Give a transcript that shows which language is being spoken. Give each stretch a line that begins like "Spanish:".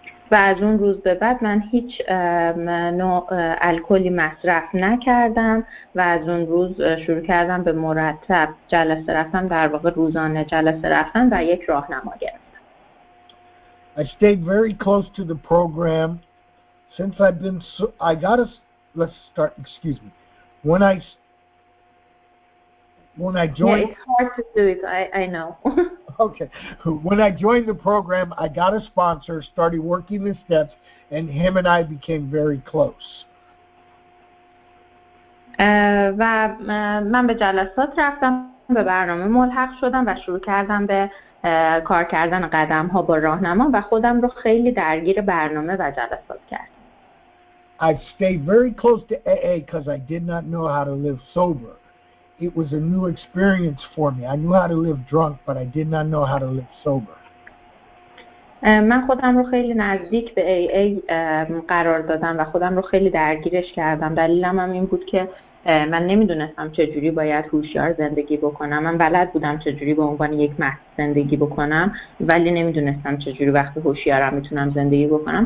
Persian: و از اون روز به بعد من هیچ نوع الکلی مصرف نکردم و از اون روز شروع کردم به مرتب جلسه رفتم، در واقع روزانه جلسه رفتم و یک راهنما گرفتم.
English: I stayed very close to the program since I've been so, I got a let's start excuse me when I joined. Yeah, it's hard to do it. I know. Okay. When I joined the program, I got a sponsor, started working the steps, and him and I became very close.
Persian: و من به جلسات رفتم، به برنامه ملحق شدم و شروع کردم به کار کردن قدم ها با راهنما و خودم رو خیلی درگیر برنامه و جلسات کردم.
English: I stayed very close to AA because I did not know how to live sober. it was a new experience for me. I knew how to live drunk, but I did not know how to live sober.
Persian: من خودم رو خیلی نزدیک به AA قرار دادم و خودم رو خیلی درگیرش کردم. دلیلم هم این بود که من نمیدونستم چجوری باید هوشیار زندگی بکنم. من بلد بودم چجوری به عنوان یک مست زندگی بکنم، ولی نمیدونستم چجوری وقتی هوشیارم میتونم زندگی بکنم.